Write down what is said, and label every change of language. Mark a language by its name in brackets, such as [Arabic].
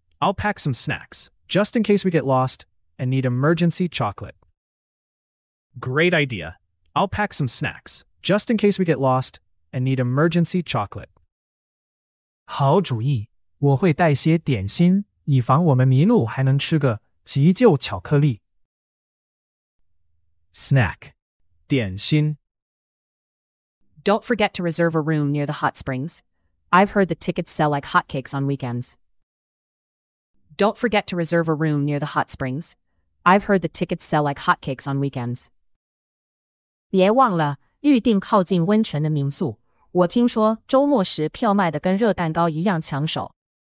[English] I'll pack some snacks, just in case we get lost and need emergency chocolate. Great idea. I'll pack some snacks, just in case we get lost and need emergency chocolate. [Chinese] 好主意。我会带些点心。以防我们迷路还能吃个急救巧克力。 [English] Snack. [Chinese] 点心。 [English] Don't forget to reserve a room near the hot springs. I've heard the tickets sell like hotcakes on weekends. Don't forget to reserve a room near the hot springs. I've heard the tickets sell like hotcakes on weekends. [Chinese] 别忘了预订靠近温泉的民宿。我听说周末时票卖得跟热蛋糕一样抢手。